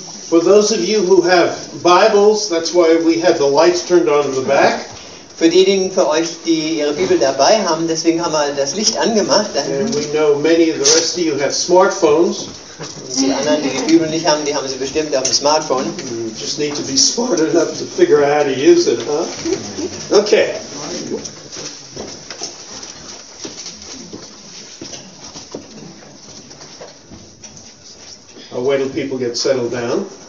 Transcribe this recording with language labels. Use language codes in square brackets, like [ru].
[en] For those of you who have Bibles, that's why we have the lights turned on in the back. [de] Für diejenigen von euch, die ihre Bibel dabei haben, deswegen haben wir das Licht angemacht. [en] And we know many of the rest of you have smartphones. [de] Und die anderen, die die Bibel nicht haben, die haben sie bestimmt auf dem Smartphone. [en] You just need to be smart enough to figure out how to use it, huh? Okay. I'll wait till people get settled down.